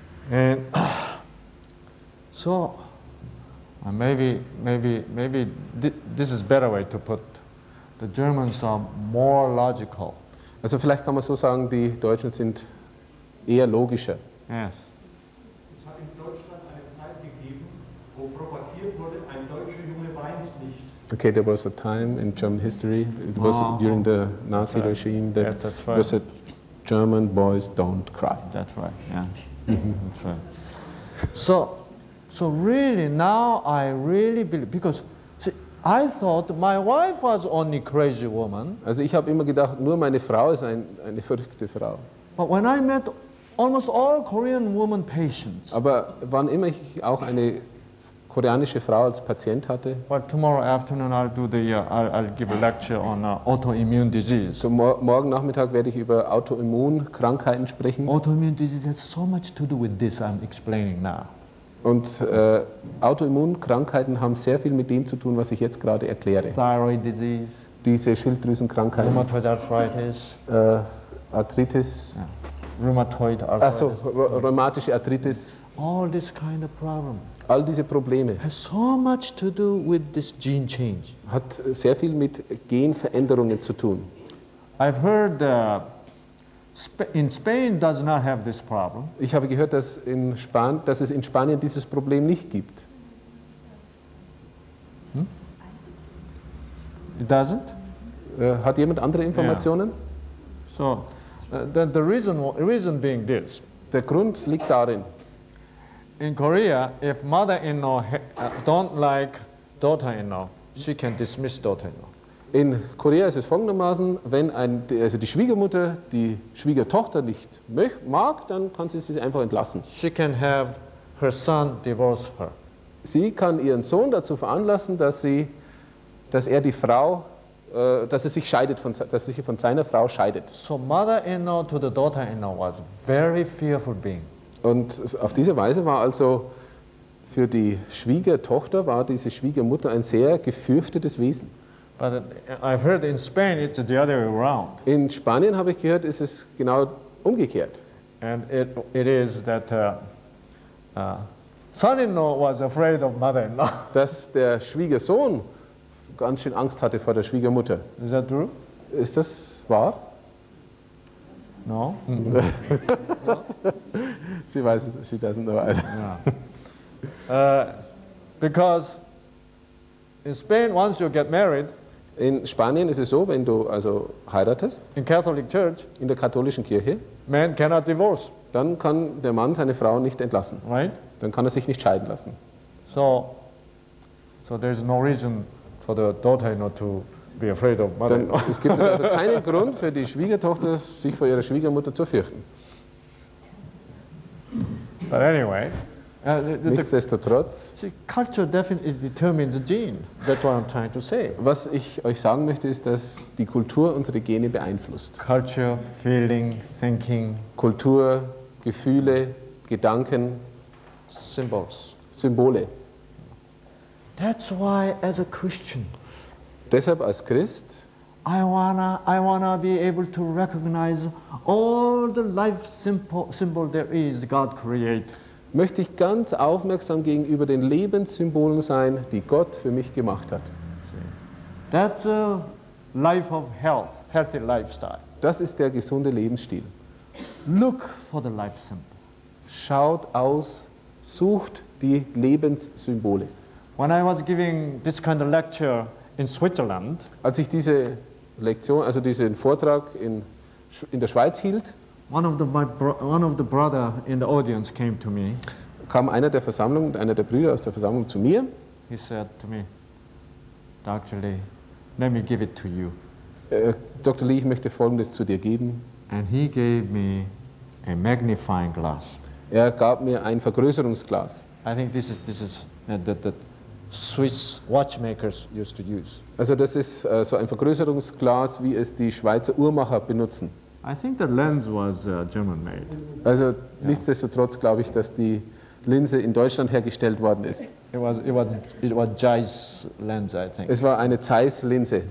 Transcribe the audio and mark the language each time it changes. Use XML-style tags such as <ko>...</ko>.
<en>And so maybe this is a better way to put. The Germans are more logical.</en> <de>Also vielleicht kann man so sagen, die Deutschen sind eher logischer.</de> <en>Yes.</en> <de>Es hat in Deutschland eine Zeit gegeben, wo propagiert wurde, ein deutscher Junge weint nicht.</de> <en>Okay, there was a time in German history, it was during the Nazi regime, that was said, German boys don't cry. That's right, yeah. That's right. So really now I really believe, because see, I thought my wife was only crazy woman.</en> <de>Also ich habe immer gedacht, nur meine Frau ist eine verrückte Frau.</de> <en>But when I met almost all Korean woman patients.</en> <de>Aber wann immer ich auch eine koreanische Frau als Patient hatte.</de> <en>Well, tomorrow afternoon I'll give a lecture on autoimmune disease.</en> <de>So morgen Nachmittag werde ich über Autoimmunkrankheiten sprechen.</de> <en>Autoimmune disease has so much to do with this I'm explaining now.</en> <de>Und Autoimmunkrankheiten haben sehr viel mit dem zu tun, was ich jetzt gerade erkläre.</de> <en>Thyroid disease.</en> <de>Diese Schilddrüsenkrankheiten.</de> <en>Rheumatoid arthritis. Arthritis. Yeah. Rheumatoid arthritis.</en> <de>Also rheumatische Arthritis.</de> <en>All this kind of problem.</en> <de>All diese Probleme</de> <en>has so much to do with this gene change.</en> <de>Hat sehr viel mit Genveränderungen zu tun.</de> <en>I've heard in Spain does not have this problem.</en> <de>Ich habe gehört, dass es in Spanien dieses Problem nicht gibt.</de> <en>Hm? It doesn't?</en> <de>Hat jemand andere Informationen?</de> <en>Yeah. So, the reason being this.</en> <de>Der Grund liegt darin.</de> <en>In Korea, if mother-in-law don't like daughter-in-law, she can dismiss daughter-in-law.</en> <de>In Korea ist es folgendermaßen, wenn die Schwiegermutter die Schwiegertochter nicht mag, dann kann sie einfach entlassen.</de> <en>She can have her son divorce her.</en> <de>Sie kann ihren Sohn dazu veranlassen, dass er sich von seiner Frau scheidet.</de> <en>So mother-in-law to the daughter-in-law was a very fearful being.</en> <de>Und auf diese Weise war also für die Schwiegertochter, war diese Schwiegermutter ein sehr gefürchtetes Wesen.</de> <en>But I've heard in Spain it's the other way around.</en> <de>In Spanien habe ich gehört, ist es genau umgekehrt.</de> <en>And it is that son-in-law was afraid of mother-in-law.</en> <de>Dass der Schwiegersohn ganz schön Angst hatte vor der Schwiegermutter.</de> <en>Is that true?</en> <de>Ist das wahr?</de> <en>No. She</en> <de>weiß,</de> <en>she doesn't know either. Yeah. Because in Spain, once you get married,</en> <de>In Spanien ist es so, wenn du also heiratest,</de> <en>in Catholic Church,</en> <de>in der katholischen Kirche,</de> <en>man cannot divorce.</en> <de>Dann kann der Mann seine Frau nicht entlassen.</de> <en>Right?</en> <de>Dann kann er sich nicht scheiden lassen.</de> <en>So there is no reason for the daughter not to be afraid of mother.</en> <de>Es gibt also keinen Grund für die Schwiegertochter, sich vor ihrer Schwiegermutter zu fürchten.</de> <en>But anyway,</en> <de>nichtsdestotrotz.</de> <en>Culture definitely determines the gene. That's what I'm trying to say.</en> <de>Was ich euch sagen möchte, ist, dass die Kultur unsere Gene beeinflusst.</de> <en>Culture, feeling, thinking.</en> <de>Kultur, Gefühle, Gedanken.</de> <en>Symbols.</en> <de>Symbole.</de> <en>That's why, as a Christian.</en> <de>Deshalb als Christ.</de> <en>I wanna be able to recognize all the life symbol there is God create.</en> <de>Möchte ich ganz aufmerksam gegenüber den Lebenssymbolen sein, die Gott für mich gemacht hat.</de> <en>That's a life of health, healthy lifestyle.</en> <de>Das ist der gesunde Lebensstil.</de> <en>Look for the life symbol.</en> <de>Schaut aus, sucht die Lebenssymbole.</de> <en>When I was giving this kind of lecture in Switzerland,</en> <de>als ich diese Lektion, also diesen Vortrag in der Schweiz hielt,</de> <en>One of the brother in the audience came to me.</en> <de>Kam einer der Versammlung, einer der Brüder aus der Versammlung zu mir.</de> <en>He said to me, Dr. Lee, let me give it to you.</en> <de>Dr. Lee, ich möchte Folgendes zu dir geben.</de> <en>And he gave me a magnifying glass.</en> <de>Er gab mir ein Vergrößerungsglas.</de> <en>I think this is the Swiss watchmakers used to use.</en> <de>Also das ist so ein Vergrößerungsglas, wie es die Schweizer Uhrmacher benutzen.</de> <en>I think the lens was German made. Also yeah.</en> <de>Nichtsdestotrotz glaube ich, dass die Linse in Deutschland hergestellt worden ist.</de> <en>It was Zeiss lens, I think.</en> <de>Es war eine Zeiss Linse.</de>